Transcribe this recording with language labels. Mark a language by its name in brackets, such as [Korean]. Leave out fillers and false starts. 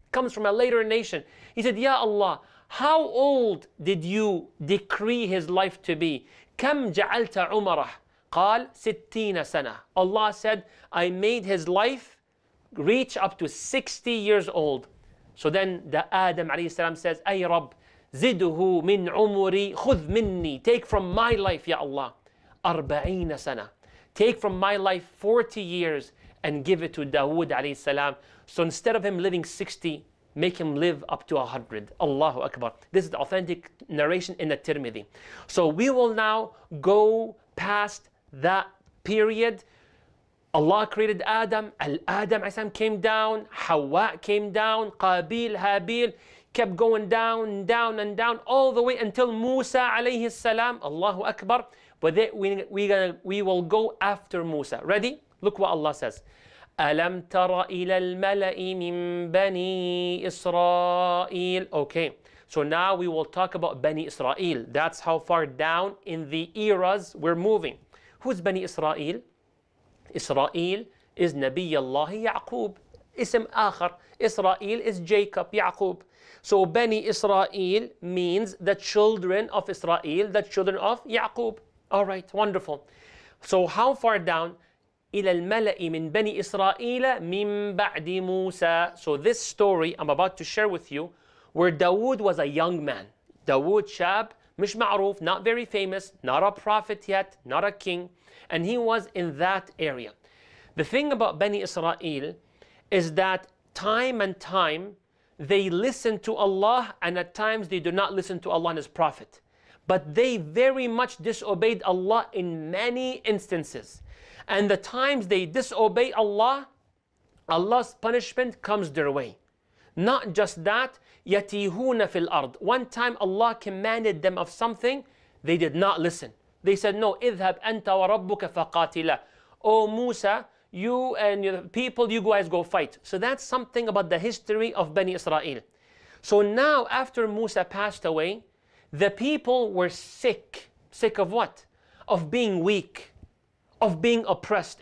[English] Comes from a later nation. He said, Ya Allah, how old did you decree his life to be? [Arabic] كم جعلت عمره؟ قال 60 سنة. [English] Allah said, I made his life reach up to 60 years old. So then the Adam [Arabic] عليه السلام says, أي رب زده من عمري خذ مني. [English] Take from my life, يا الله. [Arabic] 40 سنة. [English] Take from my life 40 years and give it to Dawood عليه السلام. So instead of him living 60, make him live up to 100. Allahu Akbar. This is the authentic narration in the Tirmidhi. So we will now go past that period. Allah created Adam. Al-Adam عليه السلام came down. Hawa came down. Qabil, Habil kept going down and down and down all the way until Musa عليه السلام. Allahu Akbar. But then we will go after Musa. Ready? Look what Allah says. [Arabic] أَلَمْ تَرَ إِلَى الْمَلَإِ مِنْ بَنِي إِسْرَائِيلِ. [English] Okay, so now we will talk about Bani Israel. That's how far down in the eras we're moving. Who's Bani Israel? Israel is [Arabic] نبي الله يعقوب. اسم آخر. [English] Israel is Jacob, يعقوب. So Bani Israel means the children of Israel, the children of يعقوب. All right, wonderful. So how far down? [Arabic] إلى الملأ من بني إسرائيل من بعد موسى. [English] So this story I'm about to share with you, where Dawood was a young man. Dawood, [Arabic] شاب, مش معروف, [English] not very famous, not a prophet yet, not a king. And he was in that area. The thing about Bani Israel is that time and time they listen to Allah, and at times they do not listen to Allah and His prophet. But they very much disobeyed Allah in many instances. And the times they disobey Allah, Allah's punishment comes their way. Not just that, [Arabic] يَتِيهُونَ فِي الْأَرْضِ. [English] One time Allah commanded them of something, they did not listen. They said, no, [Arabic] اِذْهَبْ أَنْتَ وَرَبُّكَ فَقَاتِلَ. [English] Oh Musa, you and your people, you guys go fight. So that's something about the history of Bani Israel. So now after Musa passed away, the people were sick. Sick of what? Of being weak. Of being oppressed.